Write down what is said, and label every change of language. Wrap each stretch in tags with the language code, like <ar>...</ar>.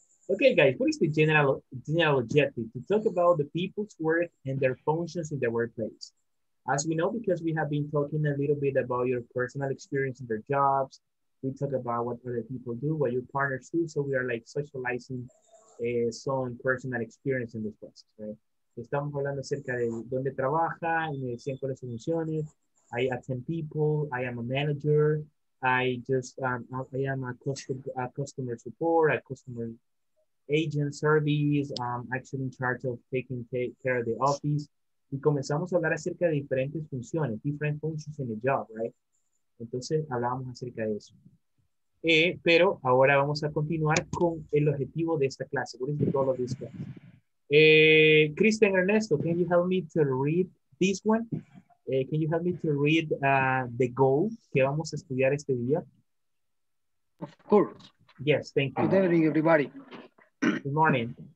<en>Okay, guys, what is the general objective? To talk about the people's work and their functions in the workplace. As we know, because we have been talking a little bit about your personal experience in their jobs, we talk about what other people do, what your partners do, so we are like socializing some personal experience in this process, right?</en> <es>Estamos hablando acerca de dónde trabaja, y me decían cuáles son funciones.</es> <en>I attend people, I am a manager, I am a customer support, a customer agent service, actually in charge of taking care of the office.</en> <es>Y comenzamos a hablar acerca de diferentes funciones,</es> <en>different functions in the job, right?</en> <es>Entonces hablábamos acerca de eso. Pero ahora vamos a continuar con el objetivo de esta clase.</es> <en>What is the goal of this class? Christian Ernesto, can you help me to read this one? Can you help me to read the goal</en> <es>que vamos a estudiar este día?</es> <en>Of course. Yes, thank you. Good evening, everybody. Good morning.</en>